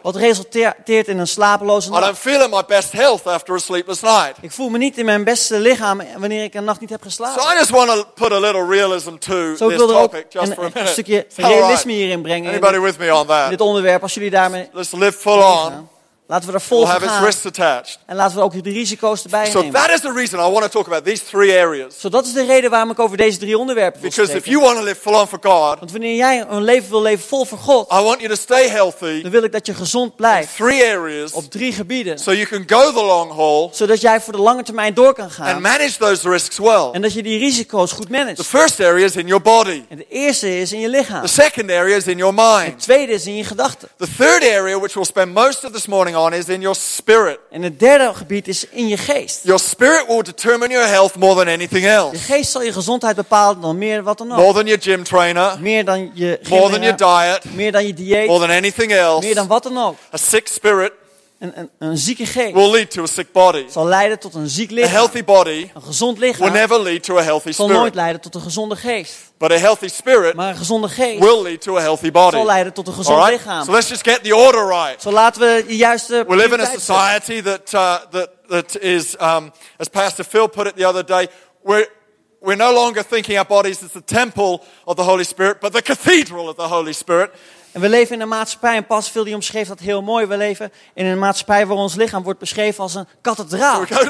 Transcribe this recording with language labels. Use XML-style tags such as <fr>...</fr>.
<nl>Wat resulteert in een slapeloze nacht.</nl> <en>I don't feel in my best health after a sleepless night.</en> <nl>Ik voel me niet in mijn beste lichaam wanneer ik een nacht niet heb geslapen.</nl> <en>So I just want to put a little realism to so this topic, just</en> <nl>een,</nl> <en>for a minute.</en> <nl>Een stukje realisme hierin brengen.</nl> <en>Anybody with me on that?</en> <nl>Dit onderwerp, als jullie daarmee.</nl> <en>Let's live full on.</en> <nl>Laten we er vol voor gaan.</nl> <en>Risks attached.</en> <nl>En laten we ook de risico's erbij</nl> <en>so</en> <nl>nemen.</nl> <en>That is the reason I want to talk about these three areas.</en> <nl>So dat is de reden waarom ik over deze drie onderwerpen wil</nl> <en>Because</en> <nl>spreken.</nl> <en>If you want to live full on for God,</en> <nl>want wanneer jij een leven wil leven vol voor God,</nl> <en>I want you to stay healthy,</en> <nl>dan wil ik dat je gezond blijft.</nl> <en>In three areas,</en> <nl>op drie gebieden.</nl> <en>So you can go the long haul,</en> <nl>zodat jij voor de lange termijn door kan gaan.</nl> <en>And manage those risks well.</en> <nl>En dat je die risico's goed manage.</nl> <en>The first area is in your body.</en> <nl>En de eerste is in je lichaam.</nl> <en>The second area is in your mind.</en> <nl>En het tweede is in je gedachten.</nl> <en>The third area, which we'll spend most of this morning on is in your spirit.</en> <nl>En het derde gebied is in je geest.</nl> <en>Your spirit will determine your health more than anything else.</en> <nl>Je geest zal je gezondheid bepalen dan meer wat dan ook.</nl> <en>More than your gym trainer.</en> <nl>Meer dan je</nl> <en>More than your diet.</en> <nl>Meer dan je dieet.</nl> <en>More than anything else.</en> <nl>Meer dan wat dan ook.</nl> <en>A sick spirit.</en> <nl>Een zieke geest.</nl> <en>Will lead to a sick body.</en> <nl>Zal leiden tot een ziek lichaam.</nl> <en>A healthy body.</en> <nl>Een gezond lichaam.</nl> <en>Will never lead to a healthy spirit.</en> <nl>Zal nooit leiden tot een gezonde geest.</nl> <en>But a healthy spirit</en> <nl>maar een gezonde geest</nl> <en>will lead to a healthy body.</en> <nl>Zal leiden tot een gezond</nl> <en>right?</en> <nl>lichaam.</nl> <en>So let's just get the order right.</en> <nl>Zo laten we de juiste</nl> <en>We live in a society that is, as Pastor Phil put it the other day, we're no longer thinking our bodies as the temple of the Holy Spirit, but the cathedral of the Holy Spirit.</en> <nl>En we leven in een maatschappij, en Pas Phil die omschreef dat heel mooi. We leven in een maatschappij waar ons lichaam wordt beschreven als een kathedraal.</nl>